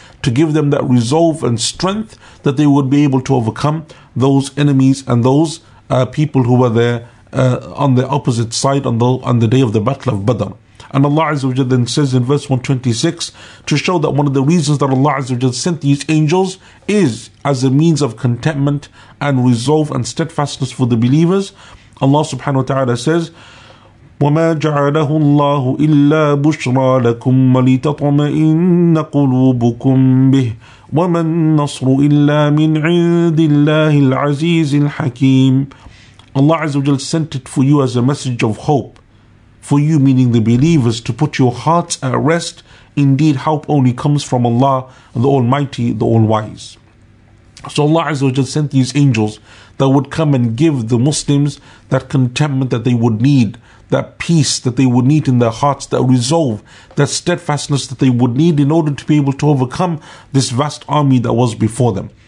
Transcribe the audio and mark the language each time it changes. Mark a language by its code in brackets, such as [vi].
[en] to give them that resolve and strength that they would be able to overcome those enemies and those people who were there on the opposite side on the day of the Battle of Badr. And Allah Azza wa Jal then says in verse 126 to show that one of the reasons that Allah Azza wa Jal sent these angels is as a means of contentment and resolve and steadfastness for the believers. Allah subhanahu wa ta'ala says, [ar] وَمَا جَعَلَهُ اللَّهُ إِلَّا بُشْرَى لَكُمْ وَلِتَطْمَئِنَّ قُلُوبُكُمْ بِهِ وَمَا النَّصْرُ إِلَّا مِنْ عِنْدِ اللَّهِ الْعَزِيزِ الْحَكِيمِ. [en] Allah Azza wa Jal sent it for you as a message of hope, for you meaning the believers, to put your hearts at rest. Indeed, help only comes from Allah, the Almighty, the All-Wise. So Allah Azza wa Jal sent these angels that would come and give the Muslims that contentment that they would need, that peace that they would need in their hearts, that resolve, that steadfastness that they would need in order to be able to overcome this vast army that was before them.